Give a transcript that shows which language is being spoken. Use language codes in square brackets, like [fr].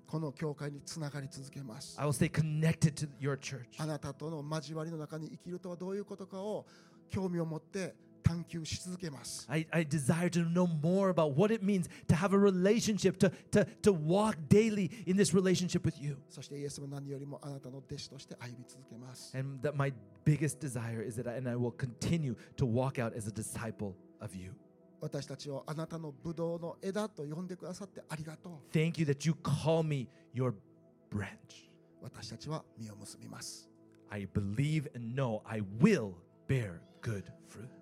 [ja] この教会につながり続けます。 [en] I will stay connected to your church. [ja] あなたとの交わりの中に生きるとはどういうことかを興味を持って探求し続けます。 [en] I desire to know more about what it means to have a relationship, to walk daily in this relationship with you. [ja] そしてイエスも何よりもあなたの弟子として歩み続けます。 [en] And that my biggest desire is that I will continue to walk out as a disciple of you. [ja] 私たちをあなたのブドウの枝と呼んでくださってありがとう。 [en] Thank you that you call me your branch. [ja] 私たちは実を結びます。 [en] I believe and know I will bear good fruit.